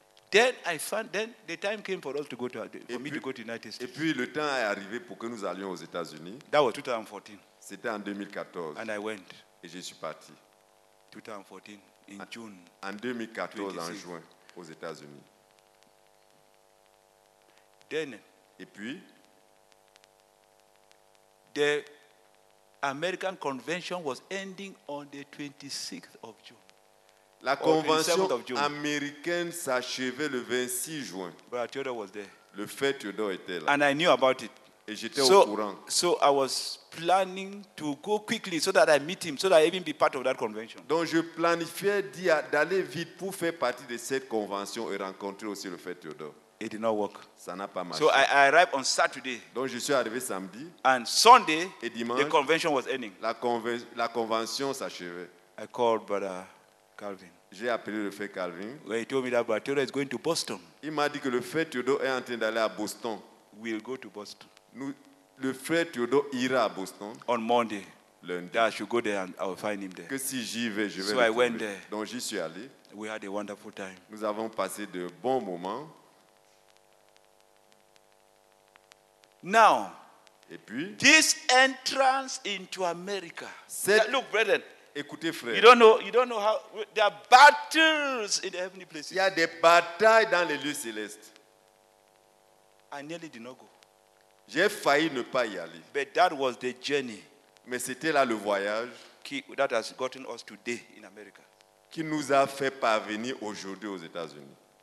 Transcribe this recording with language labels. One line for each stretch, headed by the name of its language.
English: Then the time came for us to go to the United States.
French: Et puis le temps est arrivé pour que nous allions aux États-Unis.
English: That was 2014.
French: C'était en 2014.
English: And I went.
French: Et je suis parti.
English: 2014 in June.
French: En 2014 26. En juin aux États-Unis.
English: Then,
French: et puis,
English: the American convention was ending on the 26th of June.
French: La convention américaine s'achevait le 26 juin.
English: But Theodore was there.
French: Le fait Theodore était là.
English: And I knew about it.
French: Et j'étais au courant.
English: So I was planning to go quickly so that I meet him, so that I even be part of that convention.
French: Donc je planifiais d'aller vite pour faire partie de cette convention et rencontrer aussi le fait Theodore.
English: It did not work.
French: Ça n'a pas marché.
English: So I arrived on Saturday.
French: Donc je suis arrivé samedi.
English: And Sunday,
French: et dimanche,
English: the convention was ending.
French: La convention s'achevait.
English: I called Brother Calvin.
French: J'ai appelé le frère Calvin.
English: Where he told me that Brother Theodore is going to Boston.
French: Il m'a dit que le frère Theodore est en train d'aller à Boston.
English: We'll go to Boston.
French: Le frère Theodore ira à Boston.
English: On Monday.
French: Lundi.
English: I should go there and I'll find him there.
French: Que si j'y vais, je vais le trouver.
English: So I went there.
French: Donc j'y suis allé.
English: We had a wonderful time.
French: Nous avons passé de bons moments.
English: Now,
French: et puis,
English: this entrance into America.
French: Cette,
English: look, brethren,
French: Écoutez, frère.
English: You don't know how there are battles in the heavenly places.
French: Il y a des batailles dans les lieux célestes.
English: I nearly did not go.
French: J'ai failli ne pas y aller.
English: But that was the journey.
French: Mais c'était là le voyage
English: that has gotten us today in America.
French: Qui nous a fait parvenir aujourd'hui aux États-Unis.